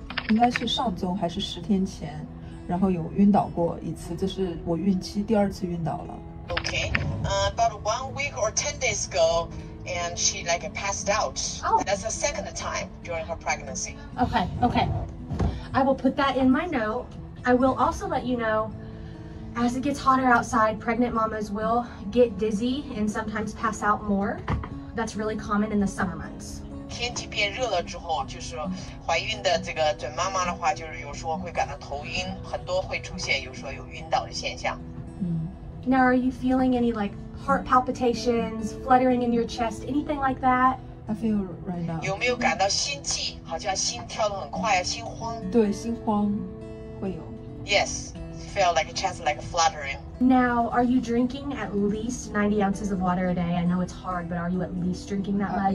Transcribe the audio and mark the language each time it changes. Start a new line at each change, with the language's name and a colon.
Chinese: 应该是上周还是10天前，然后有晕倒过一次，这是我孕期第二次晕倒了。
English: About 1 week or 10 days ago, and she like passed out. That's the second time during her pregnancy. Okay. I will put that in my note. I will also let you know, as it gets hotter outside, pregnant mamas will get dizzy and sometimes pass out more. That's really common in the summer months.
Chinese: 天气变热了之后，就是怀孕的这个准妈妈的话，就是有时候会感到头晕，很多会出现有时候有晕倒的现象。
English: Now are you feeling any like heart palpitations, fluttering in your chest, anything like that? I feel right now.
Chinese: 有没有感到心悸？好像心跳得很快，心慌。对，心慌，会有。
English: Yes, feel like a chest like fluttering. Now, are you drinking at least 90 ounces of water a day? I know it's hard, but are you at least drinking that much?